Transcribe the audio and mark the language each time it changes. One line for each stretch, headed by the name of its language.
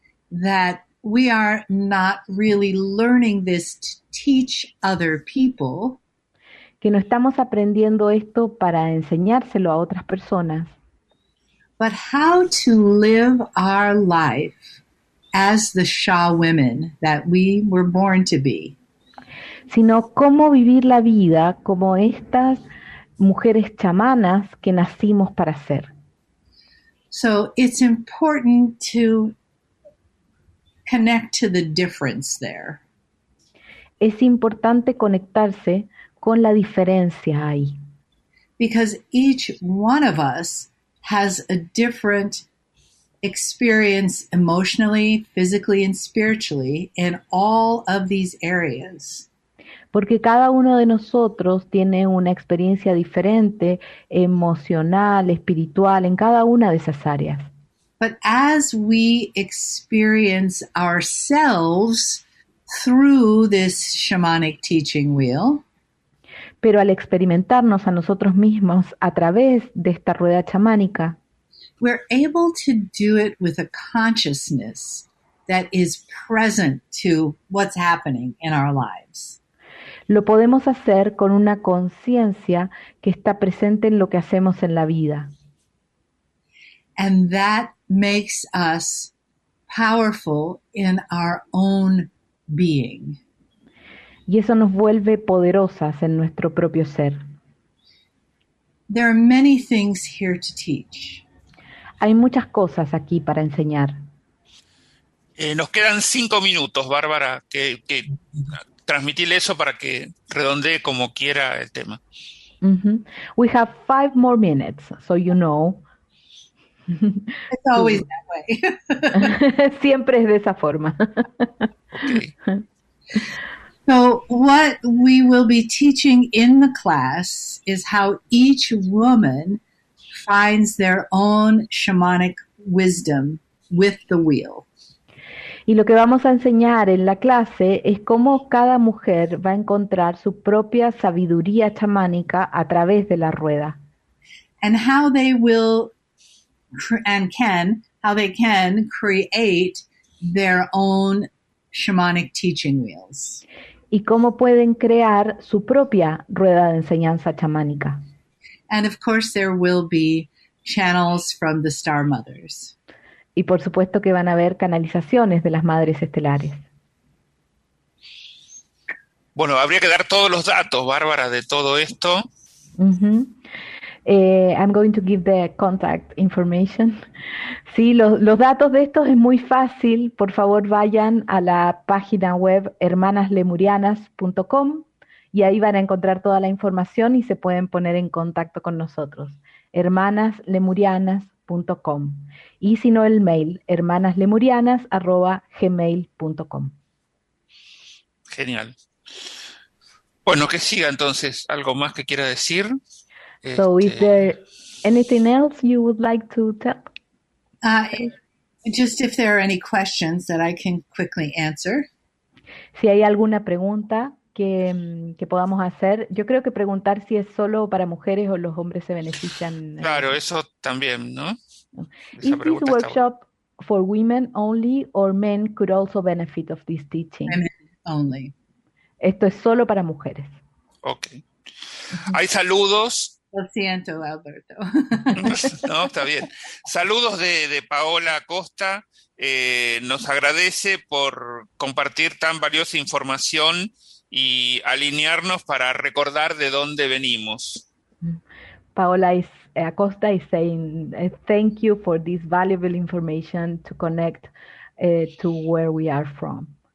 English: That we are not really learning this to teach other people.
Spanish: Que no estamos aprendiendo esto para enseñárselo a otras personas.
English: But how to live our life as the sha women that we were born to be.
Spanish: Sino cómo vivir la vida como estas mujeres chamanas que nacimos para ser.
English: So it's important to connect to the difference there.
Spanish: Es importante conectarse con la diferencia ahí.
English: Because each one of us has a different experience emotionally, physically, and spiritually in all of these areas.
Spanish: Porque cada uno de nosotros tiene una experiencia diferente, emocional, espiritual, en cada una de esas áreas.
English: But as we experience ourselves through this shamanic teaching wheel,
Spanish: pero al experimentarnos a nosotros mismos a través de esta rueda chamánica,
English: we're able to do it with a consciousness that is present to what's happening in our lives.
Spanish: Lo podemos hacer con una conciencia que está presente en lo que hacemos en la vida.
English: And that makes us powerful in our own being.
Spanish: Y eso nos vuelve poderosas en nuestro propio ser.
English: There are many things here to teach.
Spanish: Hay muchas cosas aquí para enseñar. Nos quedan 5 minutos, Bárbara, que transmitir eso para que redondee como quiera el tema.
English: Mm-hmm. We have 5 more minutes, so you know. It's always that way.
Spanish: Siempre es de esa forma.
English: Okay. So what we will be teaching in the class is how each woman finds their own shamanic wisdom with the wheel.
Spanish: Y lo que vamos a enseñar en la clase es cómo cada mujer va a encontrar su propia sabiduría chamánica a través de la rueda.
English: And how they will and can, how they can create their own shamanic teaching wheels.
Spanish: Y cómo pueden crear su propia rueda de enseñanza chamánica.
English: And of course, there will be channels from the star mothers.
Spanish: Y por supuesto que van a haber canalizaciones de las madres estelares. Bueno, habría que dar todos los datos, Bárbara, de todo esto.
English: Mm-hmm. I'm going to give the contact information.
Spanish: Sí, los datos de estos es muy fácil. Por favor, vayan a la página web hermanaslemurianas.com y ahí van a encontrar toda la información y se pueden poner en contacto con nosotros. hermanaslemurianas.com. Y si no, el mail hermanaslemurianas@gmail.com. Genial. Bueno, que siga entonces. ¿Algo más que quiera decir?
English: So is there anything else you would like to tell? Just if there are any questions that I can quickly answer.
Spanish: Si hay alguna pregunta que podamos hacer. Yo creo que preguntar si es solo para mujeres o los hombres se benefician. Claro, eso también, ¿no?
English: Is this workshop for women only or men could also benefit of this teaching? Women only.
Spanish: Esto es solo para mujeres. Ok. Hay saludos. Lo siento, Alberto. No, está bien. Saludos de Paola Acosta. Nos agradece por compartir tan valiosa información y alinearnos para recordar de dónde venimos.
English: Paola Acosta is saying thank you for this valuable information to connect to where we are from.